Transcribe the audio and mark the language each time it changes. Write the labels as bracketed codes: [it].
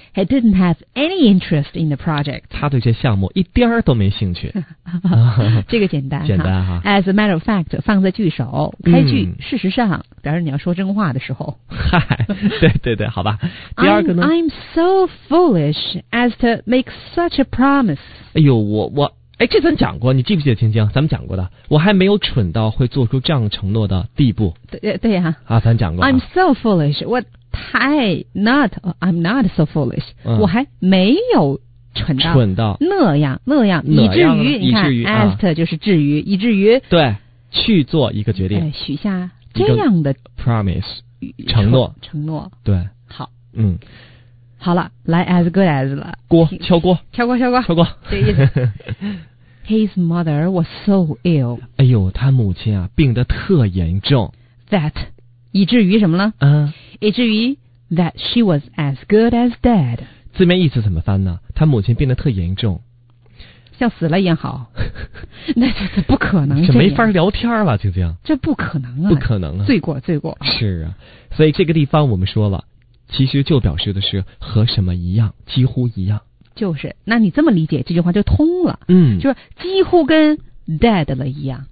[en] ，He didn't have any interest in the project。 [zh] 他对这项目一点儿都没兴趣。这个简单，简单哈。 [en] As a matter of fact， [zh] 放在句首，开句。事实上。表示你要说真话的时候，嗨，对对对，好吧。第二个呢 [en] ？I'm so foolish as to make such a promise。 [zh] 哎呦，我，哎，这咱讲过，你记不记得青青？咱们讲过的，我还没有蠢到会做出这样承诺的地步。对呀、啊。啊，咱讲过、啊。 [en] I'm so foolish， [zh] 我太 [en] not， I'm not so foolish，、 [zh] 我还没有。蠢到那样以至于，以至于，as to 就是至于，以至于，对，去做一个决定，许下。这样的 promise 承诺对，好，好了，来 as good as 了，锅敲锅敲锅敲锅敲锅，这意思。 [en] His mother was so ill。 [zh] 哎呦，他母亲啊病得特严重。 That 以至于什么了？以至于 [en] that she was as good as dead。 [zh] 字面意思怎么翻呢？他母亲病得特严重。像死了也好，那就是不可能，这没法聊天了，晶晶，这不可能啊，不可能啊，罪过是啊，所以这个地方我们说了，其实就表示的是和什么一样，几乎一样，就是，那你这么理解这句话就通了，就是几乎跟 dead 了一样，